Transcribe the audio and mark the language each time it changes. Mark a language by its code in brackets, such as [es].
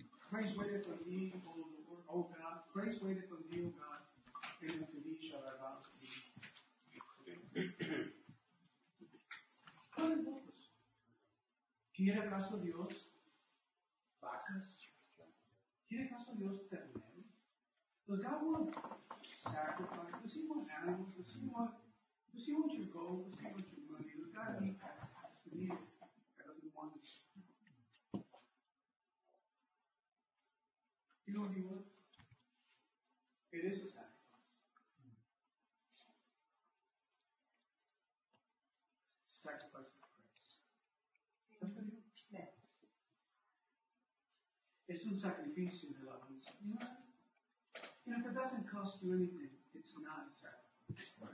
[en] Praise waiteth on thee, O Lord, O God. Praise waiteth on thee, O God. And unto thee shall I bow to thee. [es] ¿Cuáles votos? ¿Quiere acaso Dios vacas? ¿Quiere acaso Dios terneros? [en] Does God want sacrifice? Does he want animals? Does he want your gold? Does he want your money? Does God need that? Does he need it? God doesn't want it. You know what he wants? It is a sacrifice. Sacrifice of Christ. [es] Es un sacrificio de la vida. [en] You know, if it doesn't cost you anything, it's not a sacrifice.